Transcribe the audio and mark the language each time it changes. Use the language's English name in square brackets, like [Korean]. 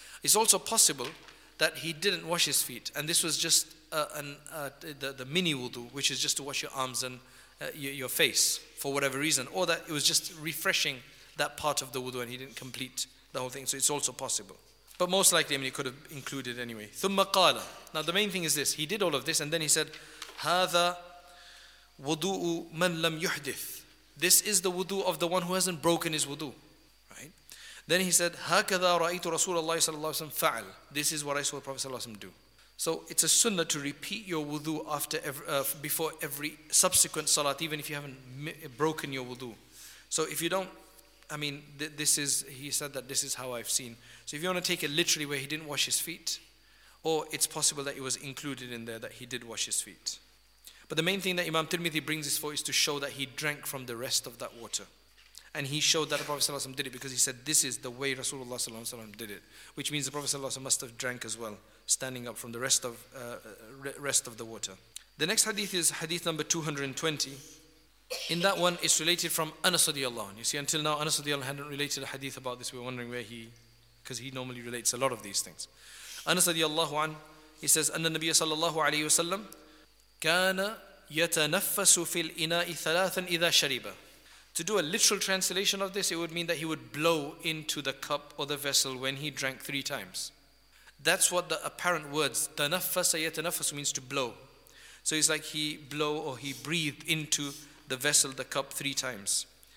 [English] It's also possible that he didn't wash his feet, and this was just the mini wudu, which is just to wash your arms and your face for whatever reason, or that it was just refreshing that part of the wudu and he didn't complete the whole thing. So it's also possible. But most likely, I mean, he could have included anyway. [Arabic] ثُمَّ قَالَ [English] Now the main thing is this. He did all of this and then he said, [Arabic] هَذَا وُضُوءُ مَنْ لَمْ يُحْدِثُ [English] This is the wudu of the one who hasn't broken his wudu. Right? Then he said, [Arabic] هَكَذَا رَأَيْتُ رَسُولَ اللَّهِ صَلَى اللَّهُ عَلَيْهِ وَسَلَّمَ فَعَلْ [English] This is what I saw the Prophet صلى الله عليه وسلم do. So it's a sunnah to repeat your wudu after before every subsequent salat, even if you haven't broken your wudu. So if you don't, I mean, this is, he said that this is how I've seen. So if you want to take it literally where he didn't wash his feet, or it's possible that it was included in there that he did wash his feet. But the main thing that Imam Tirmidhi brings this for is to show that he drank from the rest of that water. And he showed that the Prophet ﷺ did it because he said this is the way Rasulullah ﷺ did it. Which means the Prophet ﷺ must have drank as well, standing up from the rest of the water. The next hadith is hadith number 220. In that one, it's related from Anas radiallahu anhu. You see, until now, Anas radiallahu anhu hadn't related a hadith about this. We're wondering where he, because he normally relates a lot of these things. Anas radiallahu anhu, he says, [Arabic] أن النبي صلى الله عليه وسلم كان يتنفس في الإناء ثلاثا إذا شرب. [English] To do a literal translation of this, it would mean that he would blow into the cup or the vessel when he drank three times. That's what the apparent words, تنفس يتنفس means to blow. So it's like he blow or he breathed into the vessel, the cup, three times.